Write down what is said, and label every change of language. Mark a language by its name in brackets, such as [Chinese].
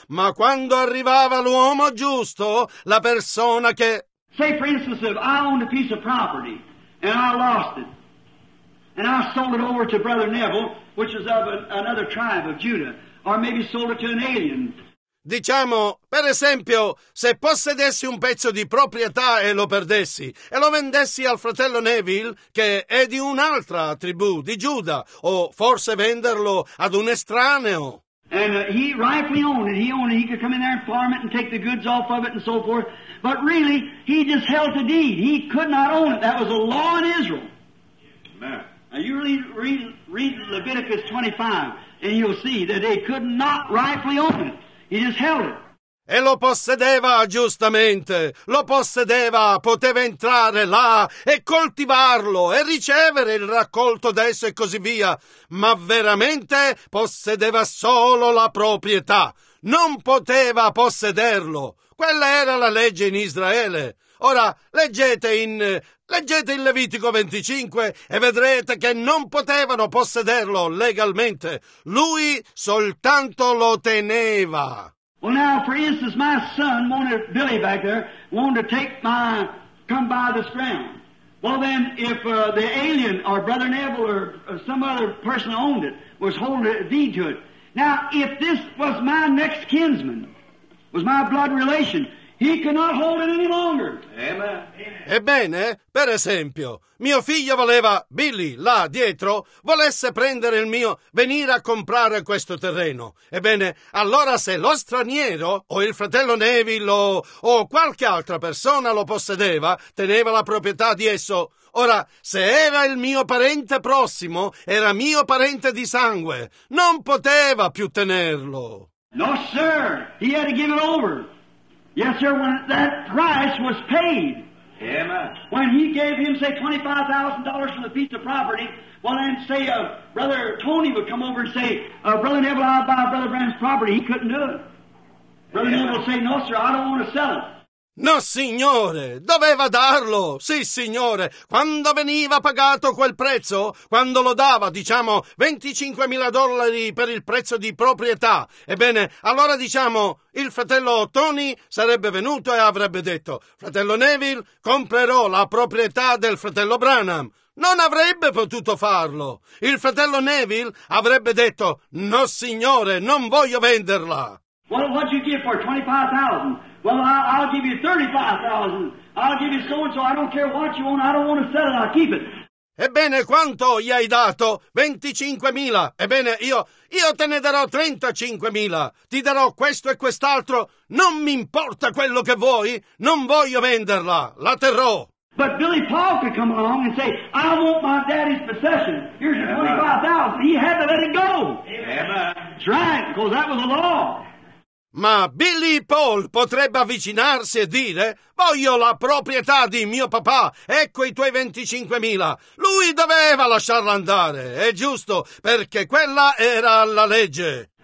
[Italian] Ma quando arrivava l'uomo giusto, la persona che... [English] Say for instance, if I owned a piece of property... And I lost it. And I sold it over to Brother Neville, which is of another tribe of Judah. Or maybe sold it to an alien. [Italian] Diciamo, per esempio, se possedessi un pezzo di proprietà e lo perdessi, e lo vendessi al fratello Neville, che è di un'altra tribù, di Giuda, o forse venderlo ad un estraneo. [English] And he rightly owned it. He could come in there and farm it and take the goods off of it and so forth. But really, he just held the deed. He could not own it. That was a law in Israel. Amen. Now you really read Leviticus 25 and you'll see that they could not rightfully own it. He just held it. [Italian] E lo possedeva giustamente, lo possedeva, poteva entrare là e coltivarlo e ricevere il raccolto da esso e così via, ma veramente possedeva solo la proprietà, non poteva possederlo. Quella era la legge in Israele. Ora leggete in Levitico 25 e vedrete che non potevano possederlo legalmente, lui soltanto lo teneva. [English] Well now, for instance, my son wanted, Billy back there, wanted to take my, come by this ground. Well then, if the alien, or Brother Neville, or some other person owned it, was holding a deed to it. Now, if this was my next kinsman, was my blood relation, he could not hold it any longer. Amen. [Italian] Ebbene, per esempio, mio figlio voleva, Billy, là dietro, volesse prendere il mio, venire a comprare questo terreno. Ebbene, allora se lo straniero, o il fratello Neville, o qualche altra persona lo possedeva, teneva la proprietà di esso. Ora, se era il mio parente prossimo, era mio parente di sangue, non poteva più tenerlo. [English] No, sir, he had to give it over. Yes, sir, when that price was paid. Amen. When he gave him, say, $25,000 for the piece of property, well, then, say, Brother Tony would come over and say, Brother Neville, I'll buy Brother Branham's property. He couldn't do it. Brother Neville would say, no, sir, I don't want to sell it. [Italian] No, signore, doveva darlo. Sì, signore, quando veniva pagato quel prezzo, quando lo dava, diciamo, $25,000 per il prezzo di proprietà, ebbene, allora, diciamo, il fratello Tony sarebbe venuto e avrebbe detto, fratello Neville, comprerò la proprietà del fratello Branham. Non avrebbe potuto farlo. Il fratello Neville avrebbe detto, no, signore, non voglio venderla. [English] Well, what did you give for $25,000? Well, I'll give you $35,000. I'll give you so-and-so. I don't care what you want. I don't want to sell it. I'll keep it. [Italian] Ebbene, quanto gli hai dato? 25,000. Ebbene, io te ne darò 35,000. Ti darò questo e quest'altro. Non mi importa quello che vuoi. Non voglio venderla. La terrò. [English] But Billy Paul could come along and say, I want my daddy's possession. Here's your $25,000. He had to let it go. Amen. That's right, because that was the law. [Italian] Ma Billy Paul potrebbe avvicinarsi e dire, voglio la proprietà di mio papà, ecco i tuoi 25,000. Lui doveva lasciarla andare, è giusto, perché quella era la legge.